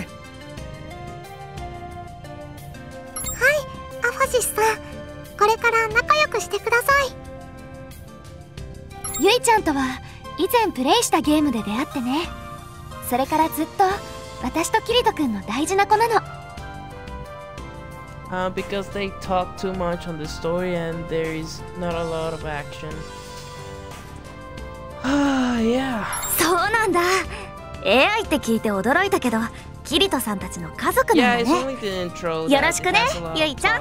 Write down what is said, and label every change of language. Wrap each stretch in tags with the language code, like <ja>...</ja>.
<ja>はい、アファシスさん。これから仲良くしてください。ユイちゃんとは、以前プレイしたゲームで出会ってね。それからずっと、私とキリト君の大事な子なの。</ja> <en>Because they talk too much on the story and there is not a lot of action.</en> <ja>そうなんだ。 AI って聞いて驚いたけど、キリトさんたちの家族なのね。よろしくね、ユイちゃん。</ja>